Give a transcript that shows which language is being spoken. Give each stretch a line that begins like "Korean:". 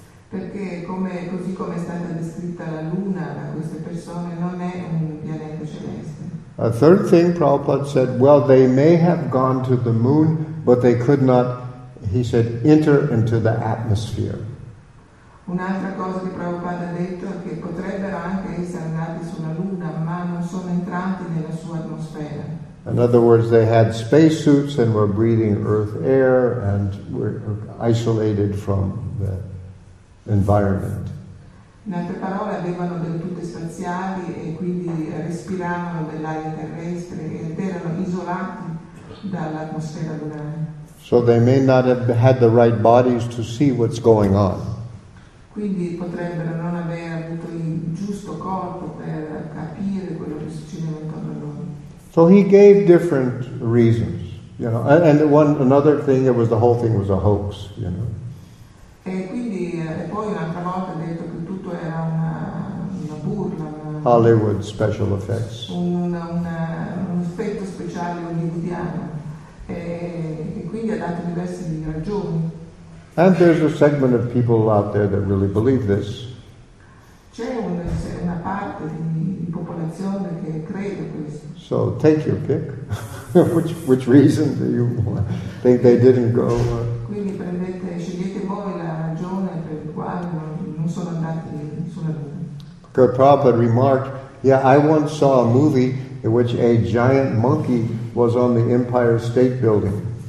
Italian: Perché così come è stata descritta la luna da queste persone non è un pianeta celeste.
English: A third thing, Prabhupada said, well, they may have gone to the moon, but they could not, he said, enter into the atmosphere.
Italian: Un'altra cosa che Prabhupada ha detto è che potrebbero anche essere andati sulla luna, ma non sono entrati nella sua atmosfera.
English: In other words, they had spacesuits and were breathing earth air and were isolated from the environment.
Italian: In altre parole, avevano delle tute spaziali e quindi respiravano dell'aria terrestre ed erano isolati dall'atmosfera lunare.
English: So they may not have had the right bodies to see what's going on.
Italian: Quindi potrebbero non aver avuto il giusto corpo per capire quello che succedeva intorno a loro.
English: So he gave different reasons, you know. And another thing, it was the whole thing was a hoax, you know.
Italian: E quindi e poi un'altra volta ha detto che tutto era una burla.
English: Hollywood special effects.
Italian: Un effetto speciale. ufficiale hollywoodiano e quindi ha dato diverse ragioni.
English: And there's a segment of people out there that really believe this.
Italian: C'è una parte di popolazione che crede questo.
English: So take your pick. which reason do you think they didn't go?
Italian: Quindi prendete, scegliete voi la ragione per la quale non sono andati sulla luna.
English: Because Prabhupada remarked, yeah, I once saw a movie in which a giant monkey was on the Empire State Building.